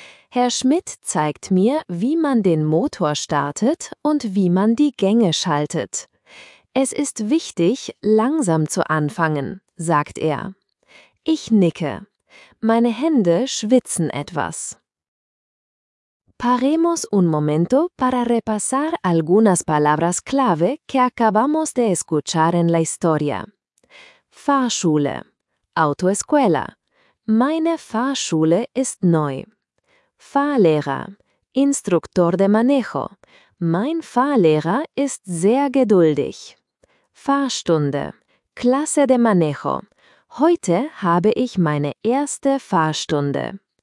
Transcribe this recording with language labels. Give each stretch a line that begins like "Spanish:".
German: Herr Schmidt zeigt mir, wie man den Motor startet und wie man die Gänge schaltet. Es ist wichtig, langsam zu anfangen, sagt er. Ich nicke. Meine Hände schwitzen etwas.
Spanish: Paremos un momento para repasar algunas palabras clave que acabamos de escuchar en la historia.
German: Fahrschule, Autoescuela, meine Fahrschule ist neu. Fahrlehrer,
Spanish: Instruktor de Manejo,
German: mein Fahrlehrer ist sehr geduldig. Fahrstunde,
Spanish: Klasse de Manejo,
German: heute habe ich meine erste Fahrstunde.